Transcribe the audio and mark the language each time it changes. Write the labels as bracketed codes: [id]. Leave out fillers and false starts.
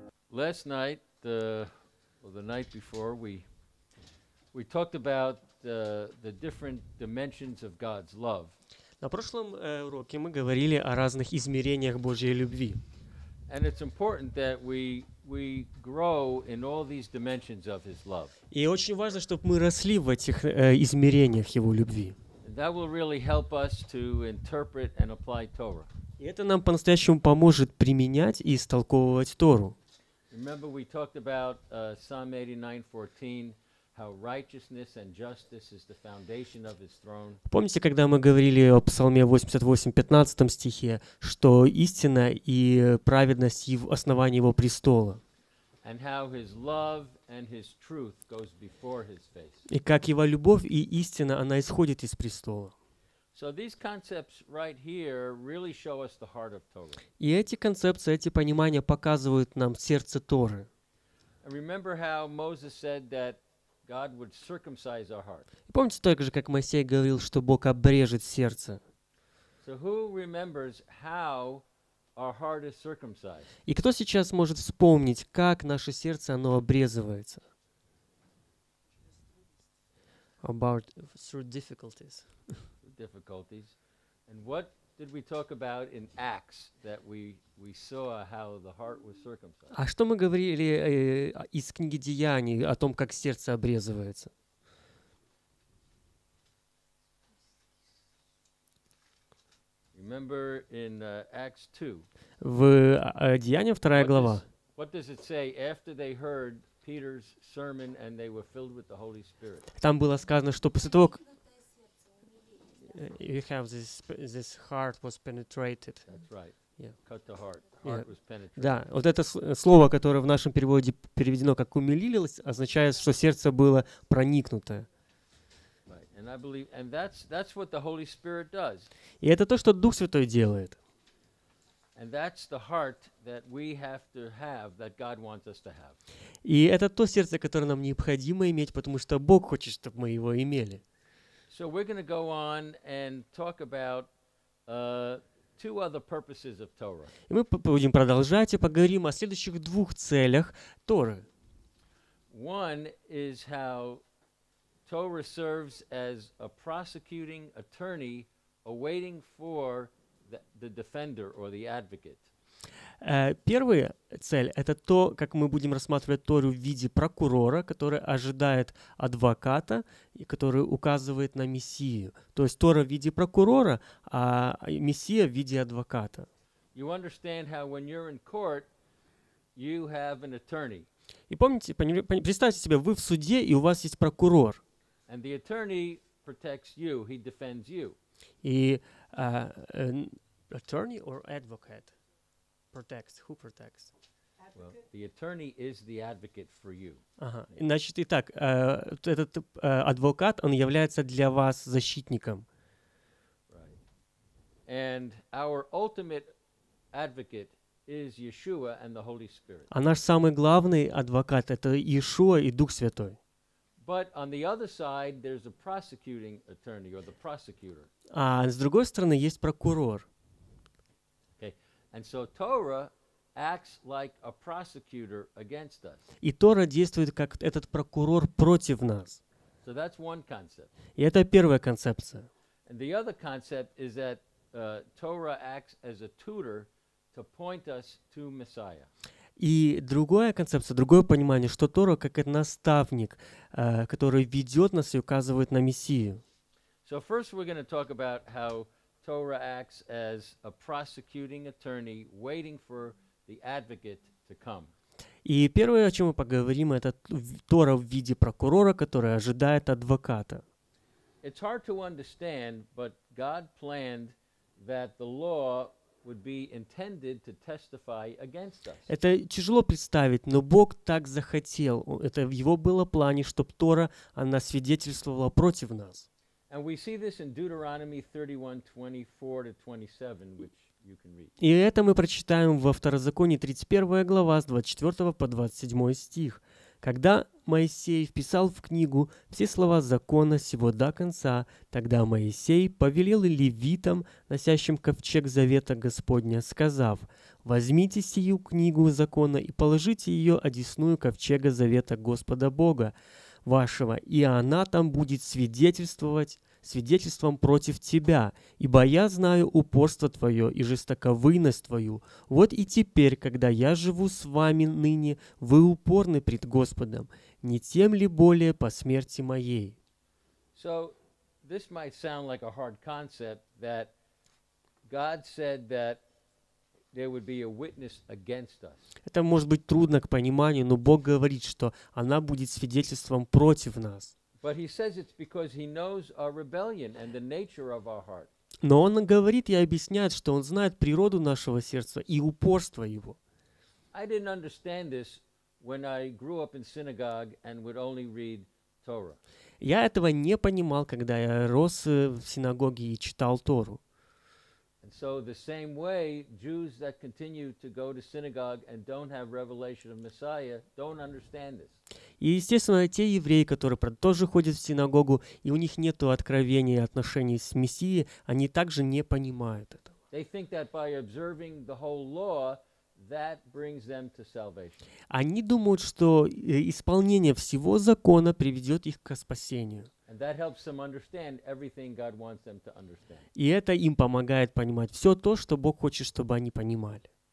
[en] last night, the night before, we talked about the different dimensions of God's love. [ru] На прошлом уроке мы говорили о разных измерениях Божьей любви. [en] And it's important that we grow in all these dimensions of His love. [ru] И очень важно, чтобы мы росли в этих измерениях Его любви. [en] That will really help us to interpret and apply Torah. [ru] И это нам по-настоящему поможет применять и истолковывать Тору. [en] Remember we talked about Psalm 89:14, how righteousness and justice is the foundation of His throne. [ru] Помните, когда мы говорили о Псалме 88:15 стихе, что истина и праведность и основание Его престола. [en] And how His love and His truth goes before His face. [ru] И как Его любовь и истина, она исходит из престола. [en] So these concepts right here really show us the heart of Torah. [ru] И эти концепции, эти понимания показывают нам сердце Торы. [en] Remember how Moses said that God would circumcise our heart. [ru] Помните также, как Моисей говорил, что Бог обрежет сердце. [en] So who remembers how our heart is circumcised? [ru] И кто сейчас может вспомнить, как наше сердце оно обрезывается? [en] About through difficulties. Difficulties, and what did we talk about in Acts that we saw how the heart was circumcised? [ru] А что мы говорили из книги Деяний о том, как сердце обрезывается? [en] Remember in Acts 2. [ru] В Деяниях вторая глава. [en] What does it say after they heard Peter's sermon and they were filled with the Holy Spirit? [ru] Там было сказано, что после того, [en] you have this heart was penetrated. That's right. Yeah. Cut the heart. Heart yeah. was penetrated. [ru] Да, вот это слово, которое в нашем переводе переведено как умилилось, означает, что сердце было проникнуто. [en] Right. And I believe, and that's what the Holy Spirit does. [ru] И это то, что Дух Святой делает. [en] And that's the heart that we have to have, that God wants us to have. [ru] И это то сердце, которое нам необходимо иметь, потому что Бог хочет, чтобы мы его имели. [en] So we're going to go on and talk about two other purposes of Torah. [ru] И мы будем продолжать и поговорим о следующих двух целях Торы. [en] One is how Torah serves as a prosecuting attorney awaiting for the defender or the advocate. [ru] Первая цель — это то, как мы будем рассматривать Тору в виде прокурора, который ожидает адвоката и который указывает на Мессию. То есть Тора в виде прокурора, а Мессия в виде адвоката. [en] You understand how when you're in court, you have an attorney. [ru] И помните, представьте себе, вы в суде, и у вас есть прокурор. [en] And the attorney protects you, he defends you. [ru] И [en] attorney or advocate? Protects. Who protects? Well, the attorney is the advocate for you. Uh-huh. [ru] Значит, итак, этот адвокат, он является для вас защитником. [en] Right. And our ultimate advocate is Yeshua and the Holy Spirit. [ru] А наш самый главный адвокат — это Иешуа и Дух Святой. [en] But on the other side, there's a prosecuting attorney or the prosecutor. [ru] А с другой стороны, есть прокурор. [en] And so Torah acts like a prosecutor against us. [ru] И Тора действует как этот прокурор против нас. [en] So that's one concept. [ru] И это первая концепция. [en] And the other concept is that Torah acts as a tutor to point us to Messiah. [ru] И другая концепция, другое понимание, что Тора как этот наставник, который ведет нас и указывает на Мессию. [en] So first we're going to talk about how Torah acts as a prosecuting attorney waiting for the advocate to come. [ru] И первое, о чем мы поговорим, это Тора в виде прокурора, который ожидает адвоката. [en] It's hard to understand, but God planned that the law would be intended to testify against us. [ru] Это тяжело представить, но Бог так захотел. Это в его было плане, чтобы Тора, она свидетельствовала против нас. [en] And we see this in Deuteronomy 31:24-27, which you can read. [ru] И это мы прочитаем во Второзаконии 31 глава с 24 по 27 стих. Когда Моисей вписал в книгу все слова закона сего до конца, тогда Моисей повелел левитам, носящим ковчег завета Господня, сказав: «Возьмите сию книгу закона и положите ее одесную ковчега завета Господа Бога вашего, и она там будет свидетельством против тебя, ибо я знаю упорство твое и жестоковыйность твою. Вот и теперь, когда я живу с вами ныне, вы упорны пред Господом, не тем ли более по смерти моей?» [en] So, this might sound like a hard concept that God said that there would be a witness against us. [ru] Это может быть трудно к пониманию, но Бог говорит, что она будет свидетельством против нас. [en] But he says it's because he knows our rebellion and the nature of our heart. [ru] Но он говорит и объясняет, что он знает природу нашего сердца и упорство его. [en] I didn't understand this when I grew up in synagogue and would only read Torah. [ru] Я этого не понимал, когда я рос в синагоге и читал Тору. [en] And so the same way Jews that continue to go to synagogue and don't have revelation of Messiah don't understand this. [ru] И, естественно, те евреи, которые тоже ходят в синагогу, и у них нет откровения и отношений с Мессией, они также не понимают этого. [en] They think that by observing the whole law, that brings them to salvation. [ru] Они думают, что исполнение всего закона приведет их к спасению. [en] And that helps them understand everything God wants them to understand. [ru] И это им помогает понимать все то, что Бог хочет, чтобы они понимали.